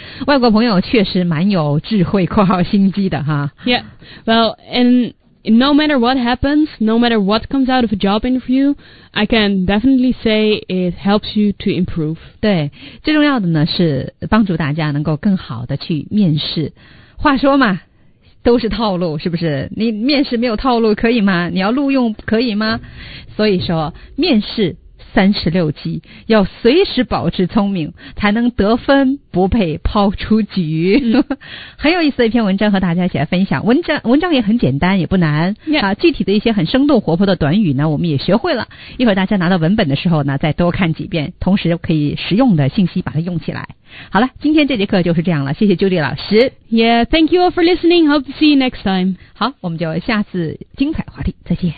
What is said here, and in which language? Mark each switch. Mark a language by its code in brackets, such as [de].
[zh] 外国朋友确实蛮有智慧括号心机的哈。 [en] Yeah, well, and no matter what happens, no matter what comes out of a job interview, I can definitely say it helps you to improve. [zh] 对，最重要的呢是帮助大家能够更好的去面试。话说嘛，都是套路，是不是？你面试没有套路可以吗？你要录用可以吗？所以说面试36计，要随时保持聪明才能得分，不被抛出局。很有意思的一篇文章和大家一起来分享。文章也很简单，也不难。 [en] Yeah. [zh] 啊，具体的一些很生动活泼的短语呢我们也学会了，一会儿大家拿到文本的时候呢再多看几遍，同时可以实用的信息把它用起来。好了，今天这节课就是这样了，谢谢 Judy 老师。 [en] Yeah, thank you all for listening. Hope to see you next time. [zh] 好，我们就下次精彩话题再见。